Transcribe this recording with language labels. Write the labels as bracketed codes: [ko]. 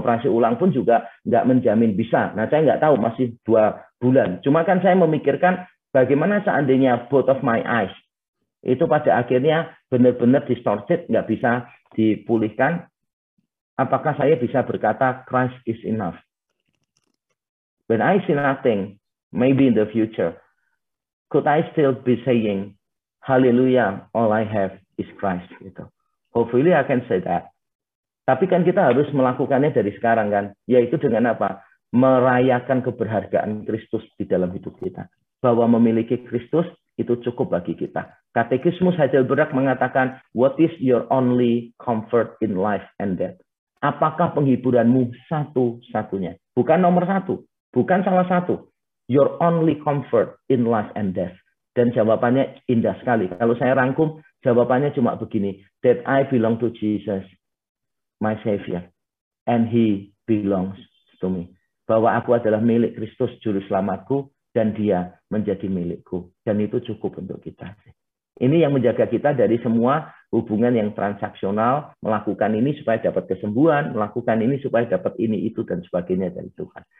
[id] Operasi ulang pun juga nggak menjamin bisa. Nah, saya nggak tahu, masih 2 bulan. Cuma kan saya memikirkan bagaimana seandainya both of my eyes itu pada akhirnya benar-benar distorted, nggak bisa dipulihkan. Apakah saya bisa berkata Christ is enough? [en] When I see nothing, maybe in the future, could I still be saying, Hallelujah, all I have is Christ? Gitu. Hopefully I can say that. [id] Tapi kan kita harus melakukannya dari sekarang kan? Yaitu dengan apa? Merayakan keberhargaan Kristus di dalam hidup kita. Bahwa memiliki Kristus itu cukup bagi kita. Katekismus Heidelberg mengatakan, What is your only comfort in life and death? Apakah penghiburanmu satu-satunya? Bukan nomor satu. Bukan salah satu. [en] Your only comfort in life and death. [id] Dan jawabannya indah sekali. Kalau saya rangkum, jawabannya cuma begini. [en] That I belong to Jesus, my Savior. And He belongs to me. [id] Bahwa aku adalah milik Kristus, Juru Selamatku. Dan Dia menjadi milikku. Dan itu cukup untuk kita. Ini yang menjaga kita dari semua hubungan yang transaksional. Melakukan ini supaya dapat kesembuhan. Melakukan ini supaya dapat ini, itu, dan sebagainya dari Tuhan.